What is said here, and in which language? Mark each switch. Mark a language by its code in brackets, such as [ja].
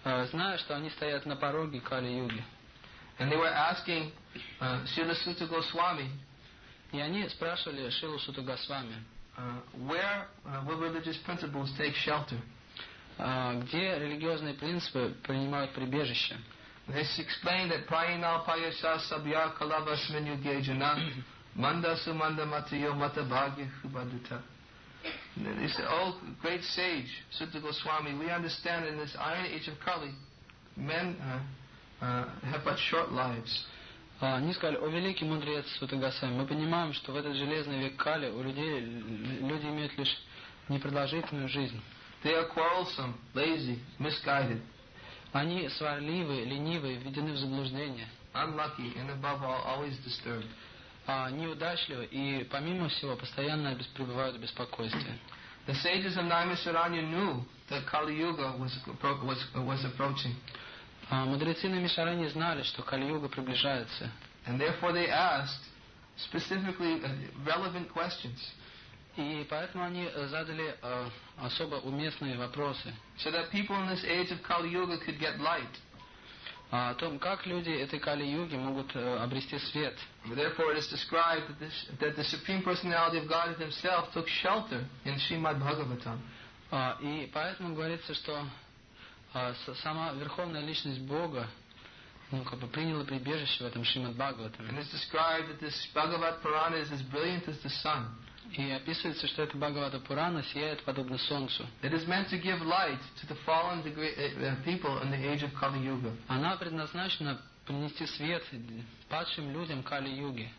[ru] Зная, что они стоят на пороге Кали-юги. [en] And they were asking Śrīla Śrīla Gosvāmī. [ru] И они спрашивали Śrīla Śrīla Gosvāmī. [en] Where will religious principles take shelter? [ru] Где религиозные принципы принимают прибежище? [en] This explained that [sa] prāyīnā pāyāśā sabhyā kalāva śmīnyu gejana manda sumanda matiyo mata bhāgya hubadutā. [en] He said, oh, great sage, Śrīla Gosvāmī, we understand in this iron age of Kali, men have but short lives. [ru] Они сказали, о великий мудрец Śrīla Gosvāmī, мы понимаем, что в этот железный век Кали у людей люди имеют лишь непродолжительную жизнь. [en] They are quarrelsome, lazy, misguided. [ru] Они сварливы, ленивы, введены в заблуждение. [en] Unlucky and above all, always disturbed. [ru] Неудачливы и, помимо всего, постоянно пребывают в беспокойстве. [en] The sages of Naimisharanya knew that Kali Yuga was approaching. [ru] Мудрецы Наимишарани знали, что Кали-юга приближается. [en] And therefore they asked specifically relevant questions. [ru] И поэтому они задали особо уместные вопросы. [en] So that people in this age of Kali-Yuga could get light. [ru] О том, как люди этой Кали-Юги могут обрести свет. [en] Therefore, it is described that, this, that the Supreme Personality of God Himself took shelter in Srimad Bhagavatam. [ru] И поэтому говорится, что сама Верховная Личность Бога приняла прибежище в этом Шримад Бхагаватам. [en] And it is described that this Bhagavat Purana is as brilliant as the sun. [ru] И описывается, что эта Бхагавата Пурана сияет подобно солнцу. [en] It is meant to give light to the fallen people in the age of Kali Yuga. [ru] Она предназначена принести свет падшим людям Кали Юги.